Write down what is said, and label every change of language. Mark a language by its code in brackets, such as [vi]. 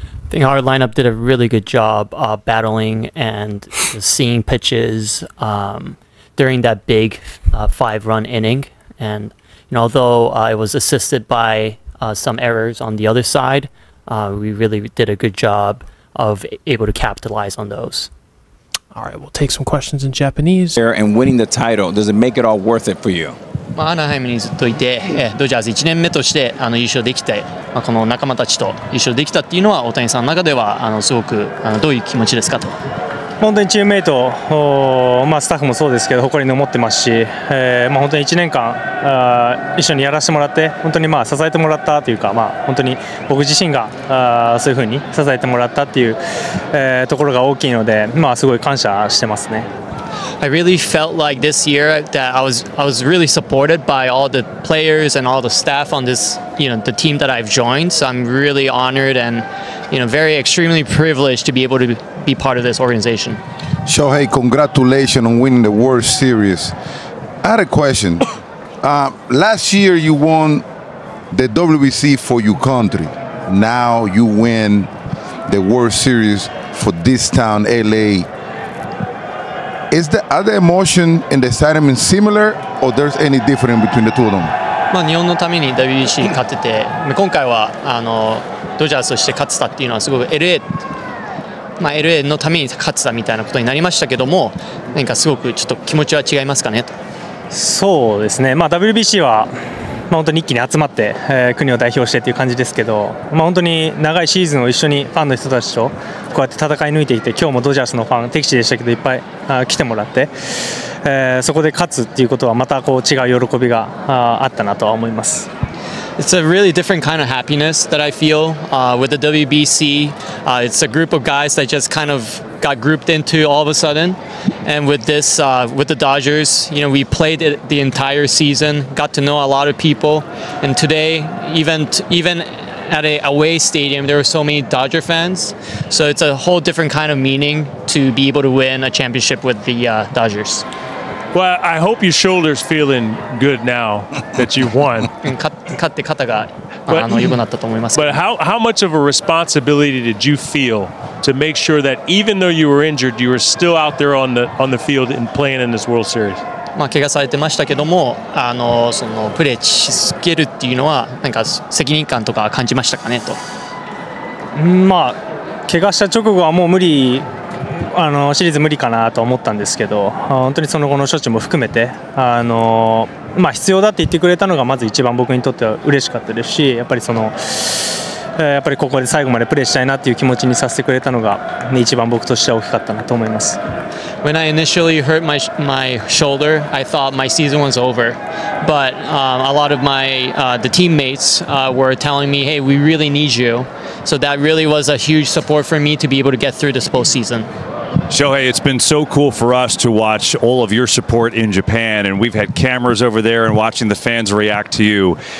[en] I think our lineup did a really good job battling and seeing pitches during that big five-run inning. And you know, although it was assisted by some errors on the other side, we really did a good job of able to capitalize on those. All right, we'll take some questions in Japanese. And winning the title, does it make it all worth it for you? [ja] まあ、アナハイムにずっといて、ドジャース1年目として優勝できて、まあ、この仲間たちと優勝できたっていうのは大谷さんの中ではすごくどういう気持ちですかと。本当にチームメイト、まあ、スタッフもそうですけど誇りに思ってますし、まあ、本当に1年間一緒にやらせてもらって、本当にまあ支えてもらったというか、まあ、本当に僕自身がそういうふうに支えてもらったっていう、ところが大きいので、まあ、すごい感謝してますね。 [en] I really felt like this year that I was really supported by all the players and all the staff on this, you know, the team that I've joined. So I'm really honored and, you know, very extremely privileged to be able to be part of this organization. Shohei, congratulations on winning the World Series. I had a question. last year you won the WBC for your country. Now you win the World Series for this town, LA. Is the other emotion in the excitement similar, or there's any difference between the two of them? [ja] まあ日本のために WBC 勝ってて、今回はドジャースとして勝ってたっていうのはすごく LA、まあ、LA のために勝ってたみたいなことになりましたけども、何かすごくちょっと気持ちは違いますかねと。そうですね。まあ WBC は、まあ、本当に一気に集まって、国を代表してっていう感じですけど、まあ、本当に長いシーズンを一緒にファンの人たちとこうやって戦い抜いていて、今日もドジャースのファン敵地でしたけどいっぱい来てもらって、そこで勝つっていうことはまたこう違う喜びが あったなとは思います。 [en] It's a really different kind of happiness that I feel with the WBC. It's a group of guys that just kind of got grouped into all of a sudden. And with this, with the Dodgers, you know, we played it the entire season, got to know a lot of people. And today, even at an away stadium, there were so many Dodger fans. So it's a whole different kind of meaning to be able to win a championship with the Dodgers. Well, I hope your shoulder's feeling good now that you won. [ja] 勝って肩が良くなったと思いますけど。 [en] But how much of a responsibility did you feel to make sure that even though you were injured, you were still out there on the field and playing in this World Series? [ja] まあ怪我されてましたけども、そのプレーし続けるっていうのは、なんか責任感とか感じましたかねと。まあ、怪我した直後はもう無理。シリーズ無理かなと思ったんですけど、本当にその後の処置も含めて、まあ、必要だって言ってくれたのがまず一番僕にとっては嬉しかったですし、やっぱりここで最後までプレーしたいなっていう気持ちにさせてくれたのが一番僕としては大きかったなと思います。 [en] When I initially hurt my shoulder, I thought my season was over. But a lot of my the teammates were telling me, hey, we really need you. So that really was a huge support for me to be able to get through this postseason. Shohei, it's been so cool for us to watch all of your support in Japan, and we've had cameras over there and watching the fans react to you.